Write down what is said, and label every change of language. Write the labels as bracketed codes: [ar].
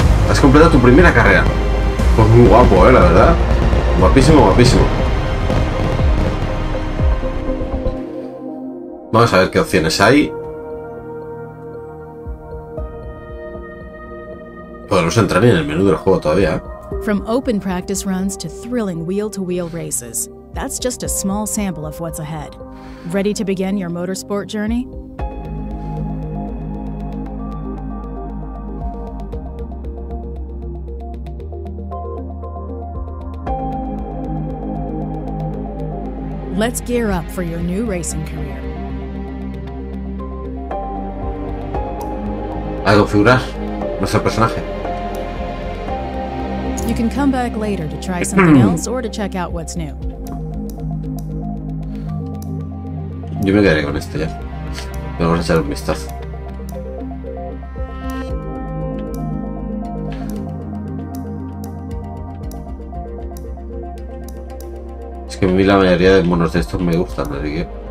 [es] Has completado tu primera carrera. Pues muy guapo, la verdad. Guapísimo, guapísimo. Vamos a ver qué opciones hay. Podemos entrar en el menú del juego todavía. [en] From open practice runs to thrilling wheel-to-wheel races, that's just a small sample of what's ahead. Ready to begin your motorsport journey? Let's gear up for your new racing career. [es] ¿A configurar nuestro personaje? [en] You can come back later to try something else or to check out what's new. [es] Yo me quedaré con este ya. Vamos a echar un vistazo. Es que a mí la mayoría de monos de estos me gustan, así que...